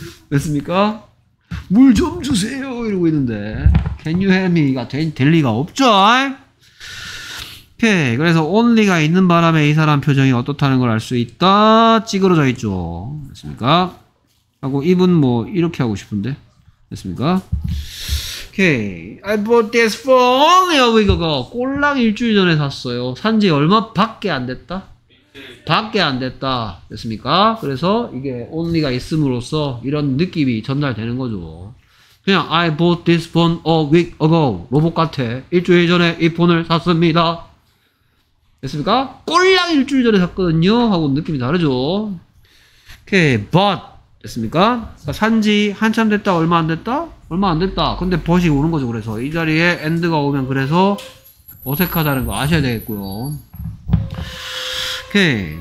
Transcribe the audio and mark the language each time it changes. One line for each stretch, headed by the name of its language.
Korean: 됐습니까? 물 좀 주세요. 이러고 있는데.
English: Can you help me
Korean: 가 될 리가 없죠. 오케이. 그래서 only가 있는 바람에 이 사람 표정이 어떻다는 걸 알 수 있다. 찌그러져 있죠. 됐습니까? 하고 입은 뭐 이렇게 하고 싶은데. 됐습니까? 오케이.
English: I bought this for only a week ago.
Korean: 꼴랑 일주일 전에 샀어요. 산 지 얼마밖에 안 됐다. 밖에 안 됐다. 됐습니까? 그래서 이게 only가 있음으로써 이런 느낌이 전달되는 거죠.
English: 그냥 I bought this phone a week ago.
Korean: 로봇 같아. 일주일 전에 이 폰을 샀습니다. 됐습니까? 꼴랑 일주일 전에 샀거든요. 하고 느낌이 다르죠. 오케이. But 됐습니까? 산 지 한참 됐다. 얼마 안 됐다? 얼마 안 됐다. 근데 but이 오는 거죠. 그래서 이 자리에 and가 오면 그래서 어색하다는 거 아셔야 되겠고요. 오케이.